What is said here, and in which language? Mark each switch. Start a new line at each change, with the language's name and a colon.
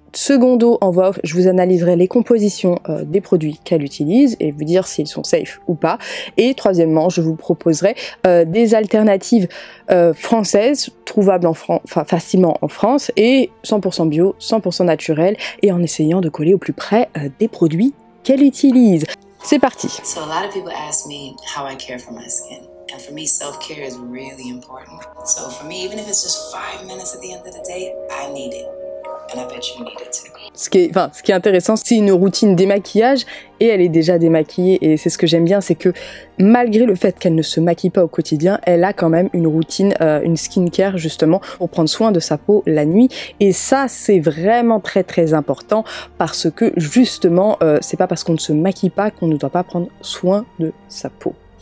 French: Secondo, en voix off, je vous analyserai les compositions des produits qu'elle utilise et vous dire s'ils sont safe ou pas. Et troisièmement, je vous proposerai des alternatives françaises, trouvables facilement en France, et 100% bio, 100% naturel, et en essayant de coller au plus près des produits qu'elle utilise. C'est parti.
English: So a lot of people ask me how I care for my skin. And for me, self-care is really important. So for me, even if it's just 5 minutes at the end of the day, I need it. And I bet you need it too.
French: Ce qui est intéressant, c'est une routine démaquillage et elle est déjà démaquillée. Et c'est ce que j'aime bien, c'est que malgré le fait qu'elle ne se maquille pas au quotidien, elle a quand même une routine, une skincare justement pour prendre soin de sa peau la nuit. Et ça, c'est vraiment très très important parce que justement, c'est pas parce qu'on ne se maquille pas qu'on ne doit pas prendre soin de sa peau.